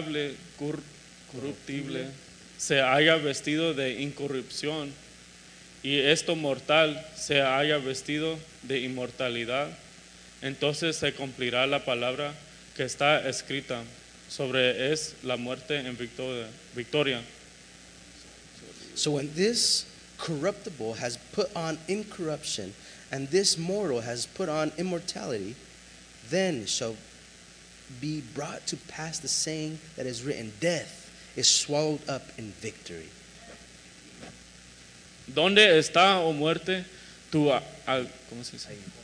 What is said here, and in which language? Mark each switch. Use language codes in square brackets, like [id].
[es] Y cuando esto corruptible se haya vestido de incorrupción, y esto mortal se haya vestido de inmortalidad, entonces se cumplirá la palabra que está escrita sobre es la muerte en victoria. [en] So when this corruptible has put on incorruption, and this mortal has put on immortality, then shall be brought to pass the saying that is written, death is swallowed up in victory. [es] ¿Dónde está, oh muerte, tu ¿cómo se dice?